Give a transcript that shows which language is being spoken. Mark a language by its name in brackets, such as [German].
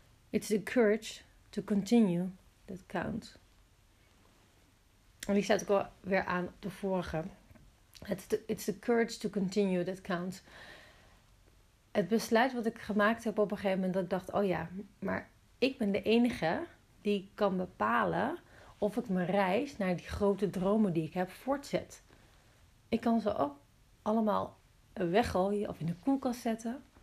[English] It's the courage to continue that counts. [Dutch] En die staat ook alweer aan de vorige. [English] It's the courage to continue that counts. [Dutch] Het besluit wat ik gemaakt heb op een gegeven moment, dat ik dacht, oh ja, maar ik ben de enige die kan bepalen of ik mijn reis naar die grote dromen die ik heb voortzet. Ik kan ze ook allemaal weggooien of in de koelkast zetten.